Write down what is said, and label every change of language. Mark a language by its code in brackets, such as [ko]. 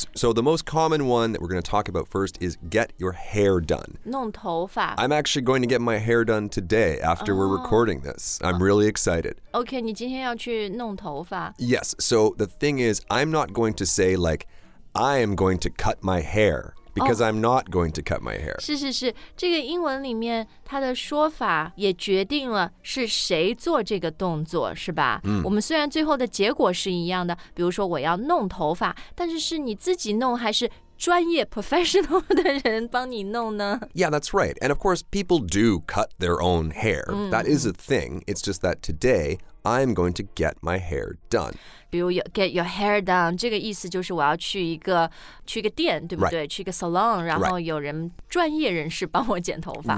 [en] So the most common one that we're going to talk about first is get your hair done. [zh] 弄头发。 [en] I'm actually going to get my hair done today after we're recording this. I'm really excited. [zh] Okay, 你今天要去弄头发。 [en] Yes, so the thing is, I'm not going to say like, I am going to cut my hair, because I'm not going to cut my hair. [zh] 是是是,这个英文里面它的说法也决定了是谁做这个动作是吧、我们虽然最后的结果是一样的比如说我要弄头发但是是你自己弄还是专业 professional 的人帮你弄呢 [en] Yeah, that's right. And of course, people do cut their own hair. That is a thing. It's just that today, I'm going to get my hair done. [zh] 比如 [en] get your hair done, [zh] 这个意思就是我要去一个店对不对 [en] right. [zh] 去一个 salon, 然后有人专业人士帮我剪头发。